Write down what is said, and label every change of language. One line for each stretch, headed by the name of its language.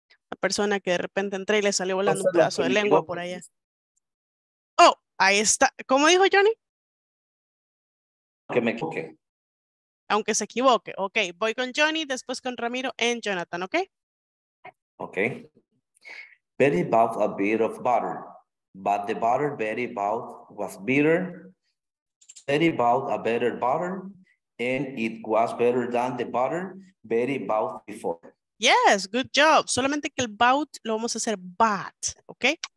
Spanish: La persona que de repente entré y le salió volando un pedazo de lengua por allá. Oh, ahí está. ¿Cómo dijo Johnny? Que me equivoqué. Aunque se equivoque. Ok, voy con Johnny, después con Ramiro y Jonathan, ¿ok? Ok.
English: Betty bought a bit of butter, but the butter Betty bought was bitter. Betty bought a better butter, and it was better than the butter Betty bought before. Yes, good job.
Spanish: Solamente que el bought lo vamos a hacer bought, ¿ok?